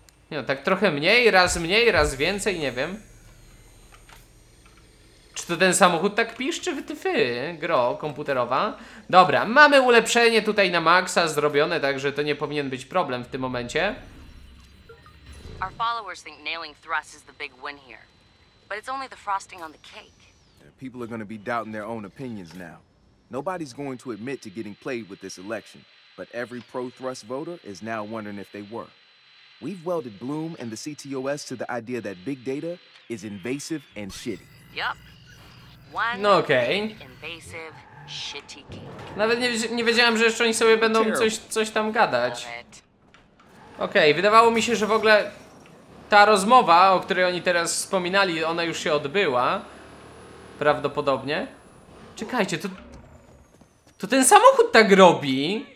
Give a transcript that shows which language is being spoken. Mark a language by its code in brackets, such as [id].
[pl] Nie, no, tak trochę mniej, raz więcej, nie wiem. Czy to ten samochód tak piszczy? Wytyfy, gro komputerowa. Dobra, mamy ulepszenie tutaj na maksa zrobione, także to nie powinien być problem w tym momencie. [en] Our followers think nailing thrust is the big win here, but it's only the frosting on the cake. People are going to be doubting their own opinions now. Nobody's going to admit to getting played with this election, but every pro-thrust voter is now wondering if they were. We've welded Bloom and the CTOS to the idea that big data is invasive and shitty. Yup. One okay. Invasive, shitty cake. [pl] Nawet nie wiedziałem, że jeszcze oni sobie będą coś tam gadać. Okej, okay, wydawało mi się, że w ogóle ta rozmowa, o której oni teraz wspominali, ona już się odbyła. Prawdopodobnie. Czekajcie, to ten samochód tak robi?